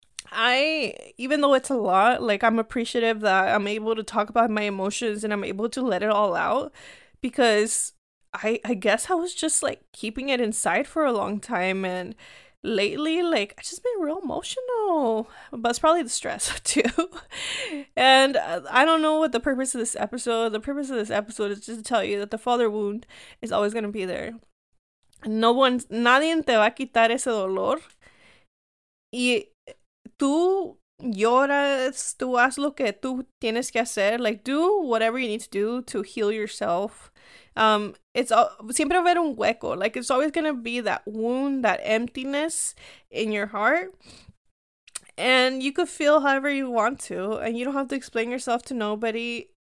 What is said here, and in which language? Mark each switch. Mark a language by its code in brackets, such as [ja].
[en] I, even though it's a lot, like, I'm appreciative that I'm able to talk about my emotions and I'm able to let it all out, because I guess I was just, like, keeping it inside for a long time, and lately, like, I've just been real emotional, but it's probably the stress, too. And I don't know what the purpose of this episode, is just to tell you that the father wound is always going to be there. No one, [es] nadie te va a quitar ese dolor. Y tú lloras, tú haz lo que tú tienes que hacer. [en] Like, do whatever you need to do to heal yourself. It's all, [es] siempre va a haber un hueco. [en] Like, it's always going to be that wound, that emptiness in your heart. And you could feel however you want to. And you don't have to explain yourself to nobody.